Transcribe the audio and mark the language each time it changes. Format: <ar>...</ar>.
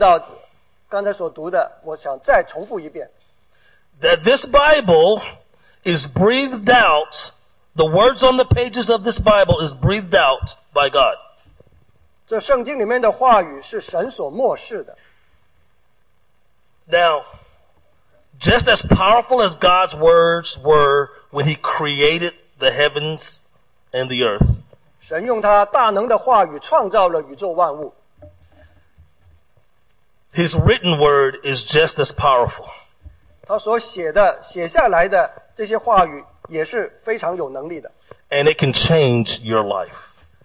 <zh>不知道大家有没有掌握到刚才所读的, 我想再重复一遍。</zh> <en>That this Bible is breathed out. The words on the pages of this Bible is breathed out by God.</en> <zh>这圣经里面的话语是神所默示的。</zh> <en>Now, just as powerful as God's words were when He created the heavens and the earth,</en> <zh>神用他大能的话语创造了宇宙万物。</zh> <en>His written word is just as powerful.</en> <zh>他所写的，写下来的这些话语。</zh> <en>And it can change your life.</en>